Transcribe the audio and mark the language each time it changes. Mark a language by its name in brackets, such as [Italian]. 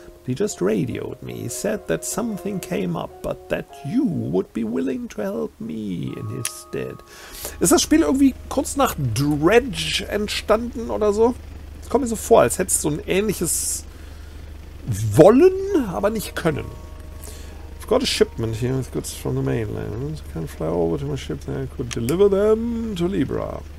[English] He just radioed me. He said that something came up, but that you would be willing to help me in his stead. [German] Ist das Spiel irgendwie kurz nach Dredge entstanden oder so? Es kommt mir so vor, als hätte es so ein ähnliches Wollen, aber nicht Können. [English] I've got a shipment here with goods from the mainland. I can fly over to my ship and I could deliver them to Libra.